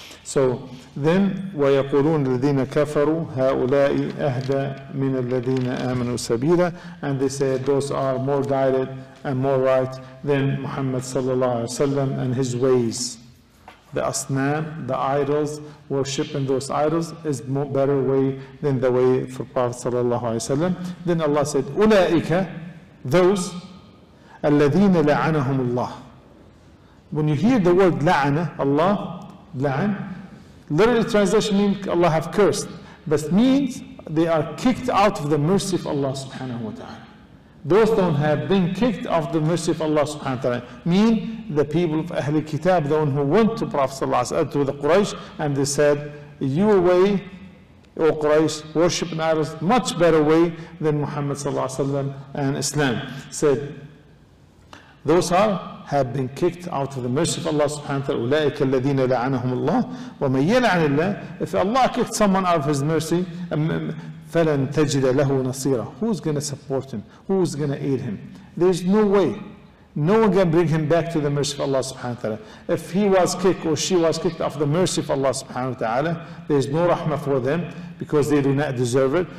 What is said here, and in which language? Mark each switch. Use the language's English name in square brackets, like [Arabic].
[English] So then, [Arabic] وَيَقُولُونَ الَّذِينَ كَفَرُوا هَؤُلَاءِ أَهْدَى مِنَ الَّذِينَ آمَنُوا سَبِيلًا. [English] And they say those are more guided and more right than Muhammad sallallahu alayhi wa sallam and his ways. The asnam, the idols, worshiping those idols is more better way than the way for Prophet sallallahu alayhi wa sallam. Then Allah said, أُولَئِكَ, those, [Arabic] الَّذِينَ لَعَنَهُمُ اللَّهِ. [English] When you hear the word la'ana, Allah, la'an, literally translation means Allah have cursed, but means they are kicked out of the mercy of Allah subhanahu wa ta'ala. Those that have been kicked off the mercy of Allah subhanahu wa ta'ala mean the people of Ahl al-Kitab, the one who went to Prophet sallallahu alayhi wa sallam, to the Quraysh, and they said, your way, O Quraysh, worship an idol, much better way than Muhammad sallallahu alayhi wa sallam and Islam. Said, those are, have been kicked out of the mercy of Allah subhanahu wa ta'ala. [Arabic] أولئك الذين لعنهم الله ومن يلعن الله. [English] If Allah kicked someone out of his mercy, [Arabic] فلن تجد له نصيرا. [English] Who's going to support him? Who's going to aid him? There's no way. No one can bring him back to the mercy of Allah subhanahu wa ta'ala. If he was kicked or she was kicked off the mercy of Allah subhanahu wa ta'ala, there's no rahmah for them because they do not deserve it.